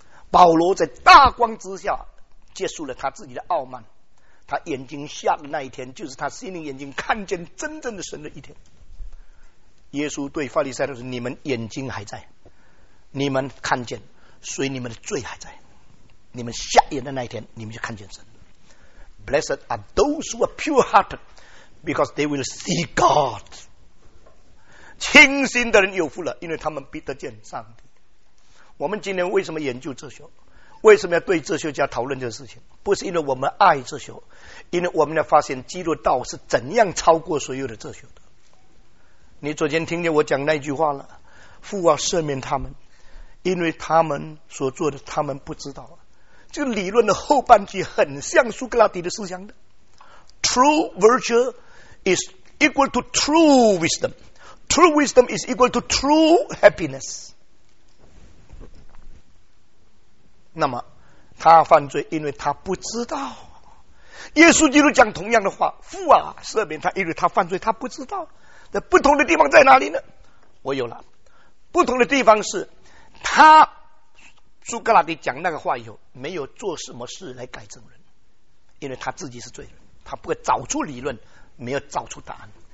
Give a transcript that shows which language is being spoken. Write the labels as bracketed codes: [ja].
[zh] 保罗在大光之下结束了他自己的傲慢，他眼睛瞎的那一天就是他心灵眼睛看见真正的神的一天。耶稣对法利赛人说，你们眼睛还在，你们看见，所以你们的罪还在，你们瞎眼的那一天你们就看见神。 [en] Blessed are those who are pure hearted because they will see God。 [zh] 清心的人有福了，因为他们必得见上帝。我们今天为什么研究哲学，为什么要对哲学家讨论这个事情，不是因为我们爱哲学，因为我们要发现基督道是怎样超过所有的哲学的。你昨天听见我讲那句话了，父啊赦免他们，因为他们所做的他们不知道。这个理论的后半句很像苏格拉底的思想的， [en] True virtue is equal to true wisdomTrue wisdom is equal to true happiness。 [zh] 那么他犯罪因为他不知道，耶稣基督讲同样的话，父啊赦免他，因为他犯罪他不知道。那不同的地方在哪里呢？我有了，不同的地方是他苏格拉底讲那个话以后没有做什么事来改正人，因为他自己是罪人，他不会找出理论，没有找出答案。